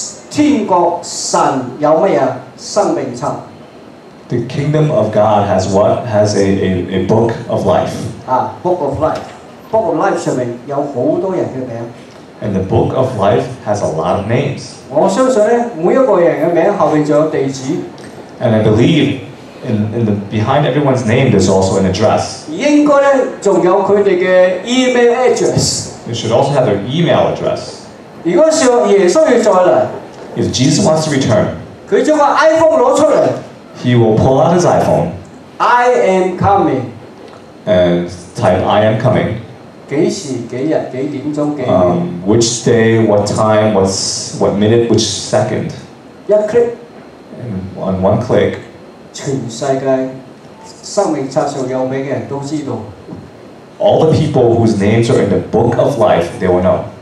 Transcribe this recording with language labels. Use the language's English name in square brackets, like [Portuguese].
[Cantonese] 天國神有乜嘢生命冊？ [English] The kingdom of God has what? Has a book of life. Ah, book of life. Book of life [Cantonese] 上面有好多人嘅名。 [English] And the book of life has a lot of names. [Cantonese] 我相信咧，每一个人嘅名后面就有地址。 [English] And I believe in the behind everyone's name, there's also an address. [Cantonese] 应该咧，仲有佢哋嘅 email address. [English] They should also have their email address. [Cantonese] 如果上耶稣要再嚟 [English] ，If Jesus wants to return, [Cantonese] 佢将个 iPhone 攞出嚟。 [English] He will pull out his iPhone. I am coming. And type I am coming. [Cantonese] 几时几日几点钟几秒 [English] Which day, what time, what minute, which second? [Cantonese] 一 click. [English] And on one click. [Cantonese] 全世界生命册上有名嘅人都知道 [English] All the people whose names are in the book of life, they will know.